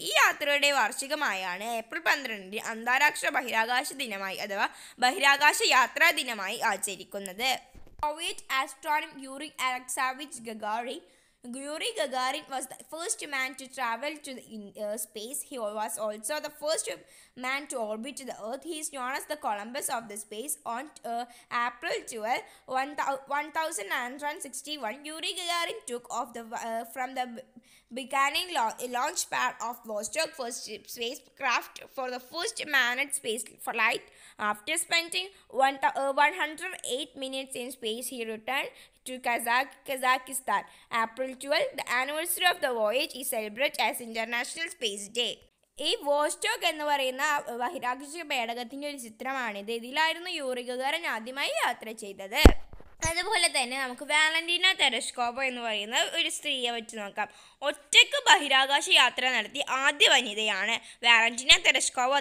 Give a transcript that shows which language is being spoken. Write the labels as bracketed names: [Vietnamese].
[Malayalam] ഈ യാത്രയുടെ വാർഷികമായാണ് April 12 അന്താരാഷ്ട്ര ബഹിരാകാശ ദിനമായി അഥവാ ബഹിരാകാശ യാത്രാ ദിനമായി ആചരിക്കുന്നത്. Soviet ആസ്ട്രോണം Yuri അലക്സേവിച്ച് Gagarin. [English] Yuri Gagarin was the first man to travel to space. He was also the first man to orbit the Earth. He is known as the Columbus of the space. On April 12, 1961, Yuri Gagarin took off from the beginning launch pad of Vostok first spacecraft for the first manned space flight. After spending 108 minutes in space, he returned to Kazakhstan. April 12, the anniversary of the voyage, is celebrated as International Space Day. [Malayalam] ഈ Vostok എന്ന് പറയുന്ന ബഹിരാകാശ പേടകത്തിൻ്റെ ഒരു ചിത്രമാണിത്. ഇതിലായിരുന്നു യൂറിഗഗാരൻ ആദ്യമായി യാത്ര ചെയ്തത്. അതുപോലെ തന്നെ നമുക്ക് വാലന്റീന ടെലസ്കോപ്പ് എന്ന് പറയുന്ന ഒരു സ്ത്രീയെ വെച്ച് നോക്കാം. ഒറ്റയ്ക്ക് ബഹിരാകാശ യാത്ര നടത്തി ആദ്യ വനിതയാണ് വാലന്റീന ടെലസ്കോപ്പ്.